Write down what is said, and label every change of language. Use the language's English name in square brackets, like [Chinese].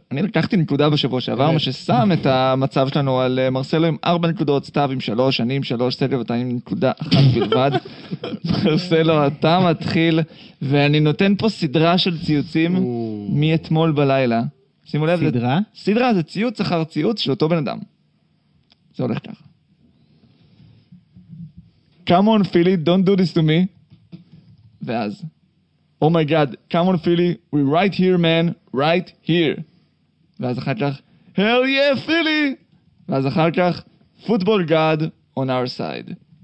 [Hebrew] אני לקחתי נקודה בשבוע שעבר, מה ששם את המצב שלנו על מרסלו עם 4 נקודות, סתיו עם 3, אני עם 3, סגל ואתה עם נקודה אחת בלבד. מרסלו, אתה מתחיל, ואני נותן פה סדרה של ציוצים מאתמול בלילה. שימו לב, סדרה? סדרה זה ציוץ אחר ציוץ של אותו בן אדם. זה הולך ככה. [English] Come on, Philly, don't do this to me. [Hebrew] ואז, [English] Oh my God, come on, Philly, we're right here, man, right here. [Hebrew] ואז אחר כך, [English] Hell yeah, Philly! [Hebrew] ואז אחר כך, [English] Football God on our side.